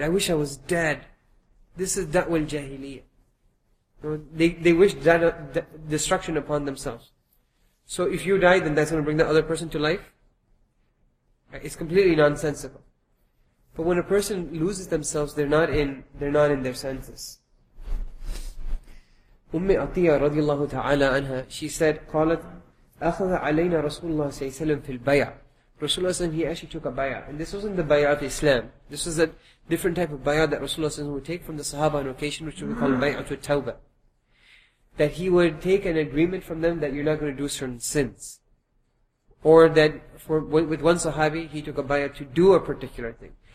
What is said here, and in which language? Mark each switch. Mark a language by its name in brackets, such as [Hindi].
[English] I wish I was dead. This is [Arabic] دَعْوَ الْجَاهِلِيَّةِ [English] They wish that destruction upon themselves. So if you die, then that's going to bring the other person to life. It's completely nonsensical. But when a person loses themselves, they're not in their senses. Ummi Atiyah radiallahu ta'ala anha, she said, [Arabic] قالت, أخذ علينا رسول الله صلى الله عليه وسلم في البيع. [English] Rasulullah صلى الله عليه وسلم, he actually took a bayah. And this wasn't the bayah of Islam. This was a different type of bayah that Rasulullah صلى الله عليه وسلم would take from the Sahaba on occasion, which we call bayah to tawbah. That he would take an agreement from them that you're not going to do certain sins. Or that with one sahabi, he took a bayah to do a particular thing.